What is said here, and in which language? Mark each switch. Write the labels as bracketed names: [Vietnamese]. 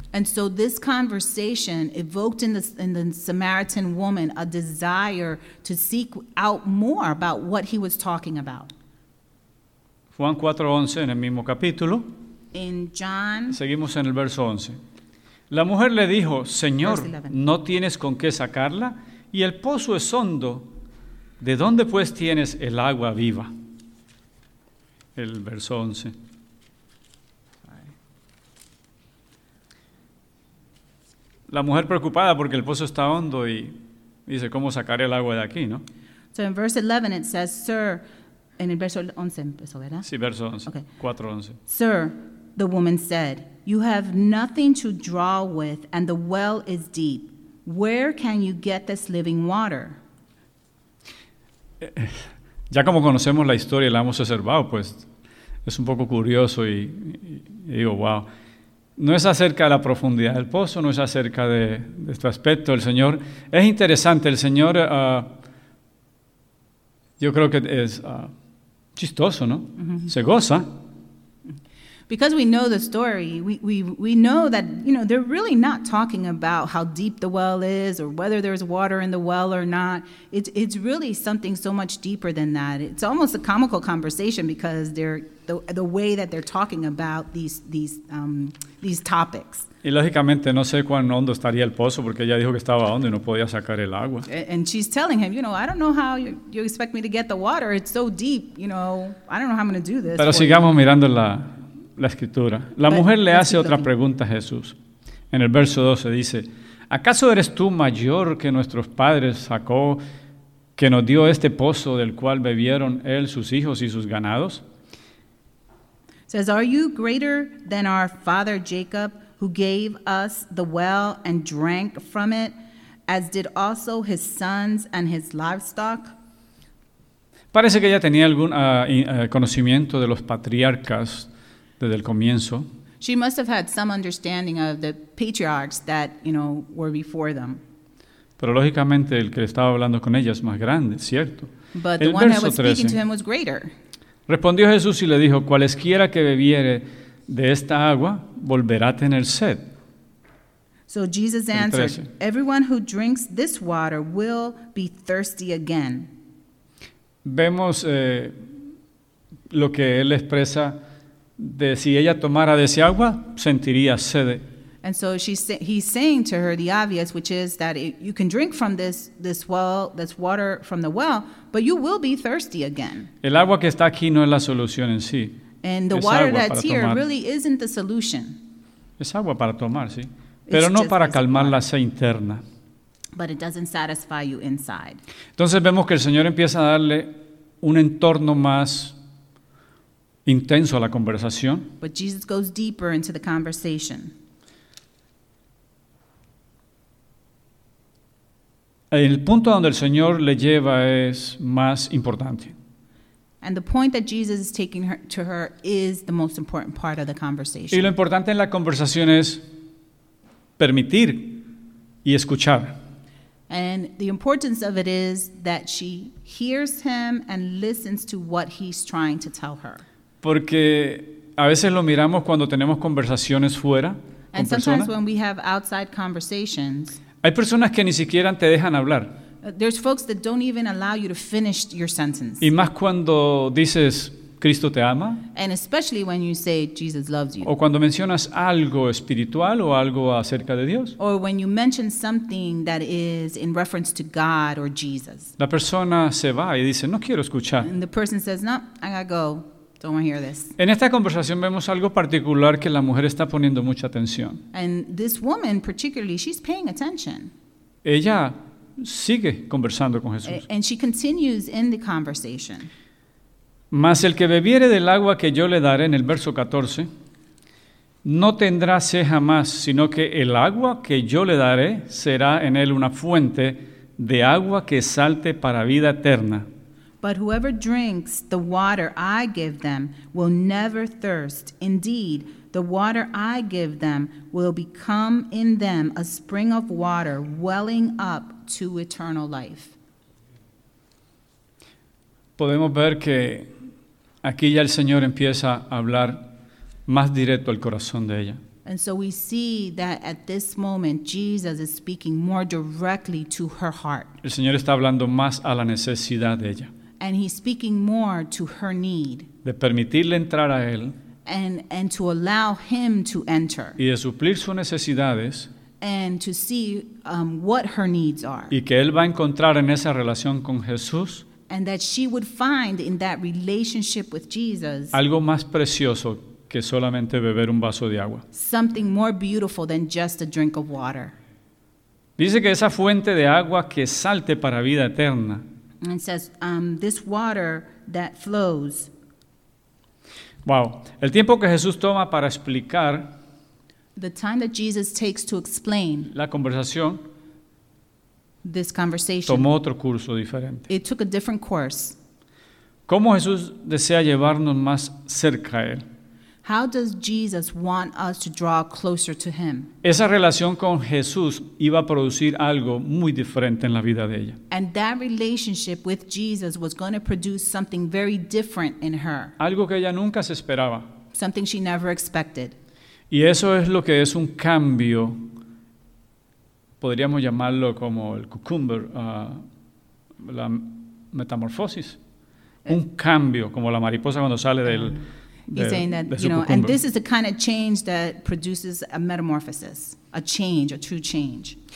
[English] And so this conversation evoked in the Samaritan woman a desire to seek out more about what he was talking about. [Spanish] Juan 4:11 en el mismo capítulo. [English] In John. [Spanish] Seguimos en el verso 11. La mujer le dijo, Señor, ¿no tienes con qué sacarla? Y el pozo es hondo. ¿De dónde pues tienes el agua viva? El verso 11. La mujer preocupada porque el pozo está hondo y dice, ¿cómo sacaré el agua de aquí, no? [English] So in verse 11 it says, sir, [Spanish] en el verso 11 empezó, ¿verdad? Sí, verso 11, okay. 4:11. [English] Sir, the woman said, you have nothing to draw with, and the well is deep. Where can you get this living water? [Spanish] Ya como conocemos la historia y la hemos observado, pues es un poco curioso y digo, wow. No es acerca de la profundidad del pozo, no es acerca de este aspecto. El Señor, es interesante, el Señor, yo creo que es chistoso, ¿no? Mm-hmm. Se goza. [English] Because we know the story, we know that, you know, they're really not talking about how deep the well is or whether there's water in the well or not. It's really something so much deeper than that. It's almost a comical conversation because they're the way that they're talking about these topics. [Spanish] Y lógicamente no sé cuán hondo estaría el pozo porque ella dijo que estaba hondo y no podía sacar el agua. [English] And she's telling him, you know, I don't know how you expect me to get the water. It's so deep, you know. I don't know how I'm going to do this. [Spanish] Pero sigamos mirando la escritura. La mujer le hace otra pregunta a Jesús. En el verso 12 dice, ¿acaso eres tú mayor que nuestros padres sacó, que nos dio este pozo del cual bebieron él, sus hijos y sus ganados? [English] Says, are you greater than our father Jacob, who gave us the well and drank from it, as did also his sons and his livestock. [Spanish] Parece que ella tenía algún conocimiento de los patriarcas desde el comienzo. [English] She must have had some understanding of the patriarchs that, you know, were before them. [Spanish] Pero lógicamente el que estaba hablando con ella es más grande, ¿cierto? [English] But the one that was speaking to him was greater. [Spanish] Respondió Jesús y le dijo, cualesquiera que bebiere de esta agua volverá a tener sed. [English] So Jesus answered, everyone who drinks this water will be thirsty again. [Spanish] Vemos lo que él expresa de si ella tomara de ese agua, sentiría sed. [English] And so he's saying to her the obvious, which is that you can drink from this well, this water from the well, but you will be thirsty again. [Spanish] El agua que está aquí no es la solución en sí. [English] And the water that's here really isn't the solution. [Spanish] Es agua para tomar, sí. Pero no para calmar la sed interna. [English] But it doesn't satisfy you inside. [Spanish] Entonces vemos que el Señor empieza a darle un entorno más intenso a la conversación. [English] But Jesus goes deeper into the conversation. [Spanish] El punto donde el Señor le lleva es más importante. [English] And the point that Jesus is taking her to her is the most important part of the conversation. [Spanish] Y lo importante en la conversación es permitir y escuchar. [English] And the importance of it is that she hears him and listens to what he's trying to tell her. [Spanish] Porque a veces lo miramos cuando tenemos conversaciones fuera. [English] And sometimes when we have outside conversations. [Spanish] Hay personas que ni siquiera te dejan hablar. [English] There's folks that don't even allow you to finish your sentence. [Spanish] Y más cuando dices Cristo te ama. [English] And especially when you say Jesus loves you. [Spanish] O cuando mencionas algo espiritual o algo acerca de Dios. [English] Or when you mention something that is in reference to God or Jesus. [Spanish] La persona se va y dice, no quiero escuchar. [English] And the person says, no, I gotta go. Don't want to hear this. [Spanish] En esta conversación vemos algo particular que la mujer está poniendo mucha atención. [English] And this woman particularly, she's paying attention. [Spanish] Ella sigue conversando con Jesús. [English] And she continues in the conversation. [Spanish] Mas el que bebiere del agua que yo le daré, en el verso 14, no tendrá sed jamás, sino que el agua que yo le daré será en él una fuente de agua que salte para vida eterna. [English] But whoever drinks the water I give them will never thirst. Indeed, the water I give them will become in them a spring of water welling up to eternal life. [Spanish] Podemos ver que aquí ya el Señor empieza a hablar más directo al corazón de ella. [English] And so we see that at this moment Jesus is speaking more directly to her heart. [Spanish] El Señor está hablando más a la necesidad de ella. [English] And he's speaking more to her need. [Spanish] De permitirle entrar a él. [English] And to allow him to enter. [Spanish] Y de suplir sus necesidades. [English] And to see what her needs are. [Spanish] Y que él va a encontrar en esa relación con Jesús. [English] And that she would find in that relationship with Jesus [Spanish] algo más precioso que solamente beber un vaso de agua. [English] Something more beautiful than just a drink of water. [Spanish] Dice que esa fuente de agua que salte para vida eterna. [English] And it says, this water that flows. Wow. [Spanish] El tiempo que Jesús toma para explicar. [English] The time that Jesus takes to explain. [Spanish] La conversación. [English] This conversation. [Spanish] Tomó otro curso diferente. [English] It took a different course. [Spanish] ¿Cómo Jesús desea llevarnos más cerca a él? [English] How does Jesus want us to draw closer to him? [Spanish] Esa relación con Jesús iba a producir algo muy diferente en la vida de ella. [English] And that relationship with Jesus was going to produce something very different in her. [Spanish] Algo que ella nunca se esperaba. [English] Something she never expected. [Spanish] Y eso es lo que es un cambio. Podríamos llamarlo como el cucumber, la metamorfosis. Un cambio, como la mariposa cuando sale del [English] He's saying that, you know, and this is the kind of change that produces a metamorphosis, a change, a true change.